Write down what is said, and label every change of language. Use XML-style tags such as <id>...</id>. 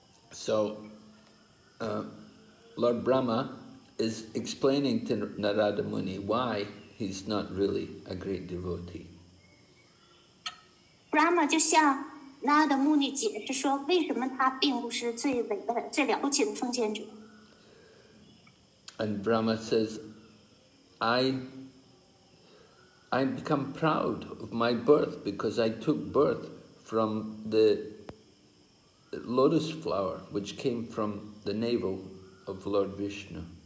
<en>So, Lord Brahma is explaining to Narada Muni why he's not really a great devotee.</en> <zh>Brahma 就像那的目的解释说，为什么他并不是最伟大的、最了不起的奉献者。</zh> <en>And Brahma says, I become proud of my birth because I took birth from the lotus flower which came from the navel of Lord Vishnu.</en>